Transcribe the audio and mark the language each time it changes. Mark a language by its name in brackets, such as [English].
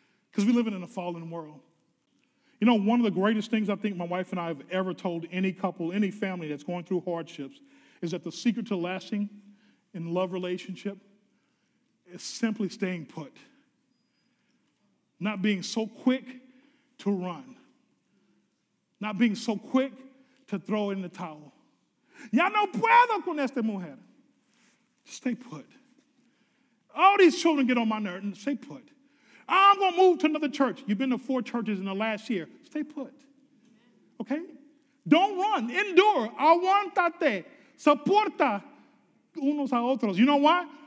[English] Because we live in a fallen world. You know, one of the greatest things I think my wife and I have ever told any couple, any family that's going through hardships, is that the secret to lasting in love relationship is simply staying put. Not being so quick to run. Not being so quick to throw in the towel. [Spanish] Ya no puedo con esta mujer. [English] Stay put. All these children get on my nerves. Stay put. I'm going to move to another church. You've been to 4 churches in the last year. Stay put. Okay? Don't run. Endure. [Spanish] Aguantate. Soporta unos a otros. [English] You know why?